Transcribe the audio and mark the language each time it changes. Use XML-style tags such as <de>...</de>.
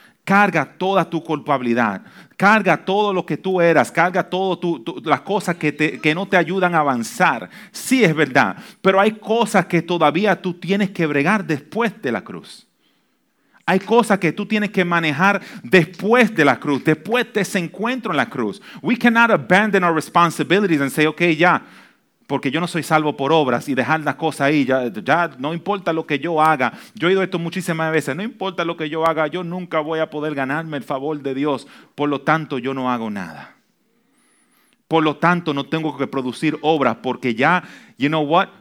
<es>Carga toda tu culpabilidad. Carga todo lo que tú eras. Carga todas las cosas que no te ayudan a avanzar. Sí, es verdad. Pero hay cosas que todavía tú tienes que bregar después de la cruz. Hay cosas que tú tienes que manejar después de la cruz. Después de ese encuentro en la cruz.</es> <en>We cannot abandon our responsibilities and say, okay, ya.</en> <es>Porque yo no soy salvo por obras y dejar las cosas ahí, ya no importa lo que yo haga. Yo he oído esto muchísimas veces, no importa lo que yo haga, yo nunca voy a poder ganarme el favor de Dios. Por lo tanto, yo no hago nada. Por lo tanto, no tengo que producir obras porque ya,</es> <en>you know what?</en>